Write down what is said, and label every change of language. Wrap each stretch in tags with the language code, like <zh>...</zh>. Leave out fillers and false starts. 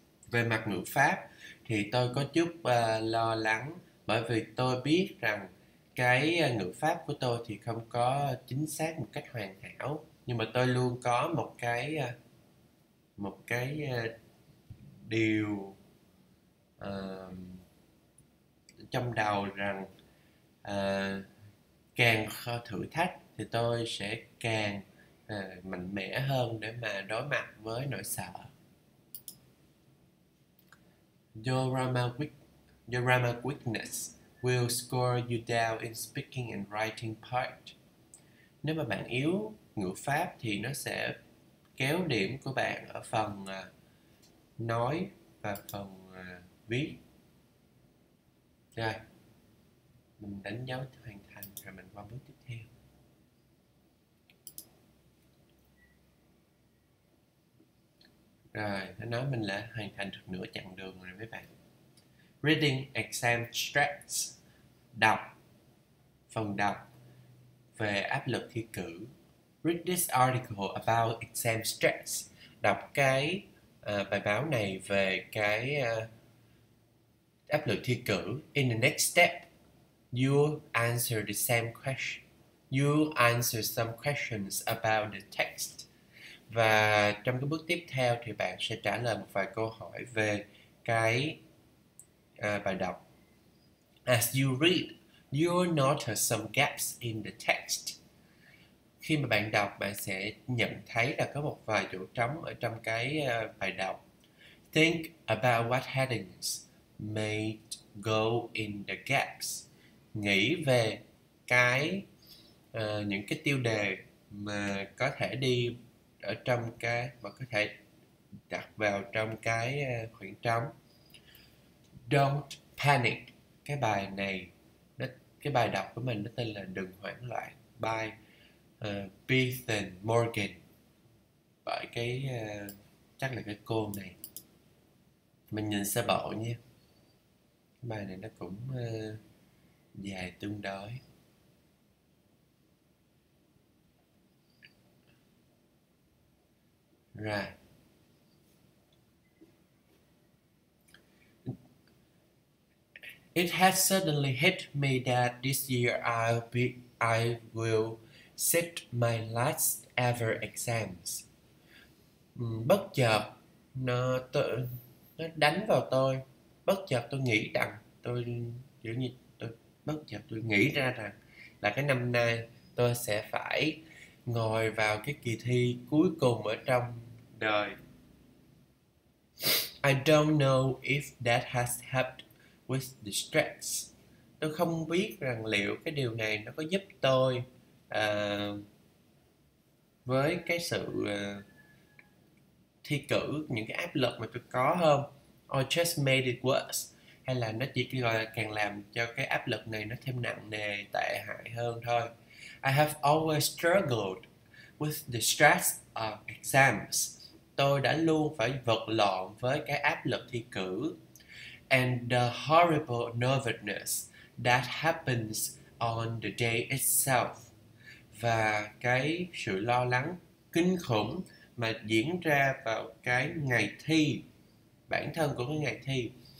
<vi>Về mặt ngữ pháp thì tôi có chút lo lắng bởi vì tôi biết rằng cái ngữ pháp của tôi thì không có chính xác một cách hoàn hảo, nhưng mà tôi luôn có một cái điều trong đầu rằng càng thử thách thì tôi sẽ càng mạnh mẽ hơn để mà đối mặt với nỗi sợ.</vi> <en>Your grammar weakness will score you down in speaking and writing part.</en> <vi>Nếu mà bạn yếu ngữ pháp thì nó sẽ kéo điểm của bạn ở phần nói và phần viết. Rồi, mình đánh dấu hoàn thành rồi mình qua bước tiếp theo. Rồi, Rồi, nó nói mình đã hoàn thành được nửa chặng đường rồi mấy bạn.</vi> <en>Reading exam stress.</en> <vi>Đọc. Phần đọc về áp lực thi cử.</vi> <en>Read this article about exam stress.</en> <vi>Đọc cái bài báo này về cái áp lực thi cử.</vi> <en>In the next step, you answer the same question. You answer some questions about the text.</en> <vi>Và trong cái bước tiếp theo thì bạn sẽ trả lời một vài câu hỏi về cái bài đọc.</vi> <en>As you read, you notice some gaps in the text.</en> <vi>Khi mà bạn đọc, bạn sẽ nhận thấy là có một vài chỗ trống ở trong cái bài đọc.</vi> <en>Think about what headings may go in the gaps.</en> <vi>Nghĩ về cái những cái tiêu đề mà có thể đi ở trong cái và có thể đặt vào trong cái khoảng trống.</vi> <en>Don't panic.</en> <vi>Cái bài này, cái bài đọc của mình nó tên là Đừng Hoảng Loạn by Bethan Morgan, bởi cái chắc là cái cô này. Mình nhìn sơ bộ nha, cái bài này nó cũng dài tương đối.</vi> <en>Right. It has suddenly hit me that this year I will sit my last ever exams.</en> <vi>Bất chợt nó đánh vào tôi. Bất chợt tôi nghĩ rằng tôi kiểu như tôi bất chợt tôi nghĩ ra rằng là cái năm nay tôi sẽ phải ngồi vào cái kỳ thi cuối cùng ở trong đời.</vi> <en>I don't know if that has helped with the stress.</en> <vi>Tôi không biết rằng liệu cái điều này nó có giúp tôi với cái sự thi cử, những cái áp lực mà tôi có không,</vi> <en>or just made it worse,</en> <vi>hay là nó chỉ gọi là càng làm cho cái áp lực này nó thêm nặng nề, tệ hại hơn thôi.</vi> <en>I have always struggled with the stress of exams.</en> <vi>Tôi đã luôn phải vật lộn với cái áp lực thi cử</vi> <en>and the horrible nervousness that happens on the day itself.</en> <vi>Và cái sự lo lắng kinh khủng mà diễn ra vào cái ngày thi, bản thân của cái ngày thi.</vi>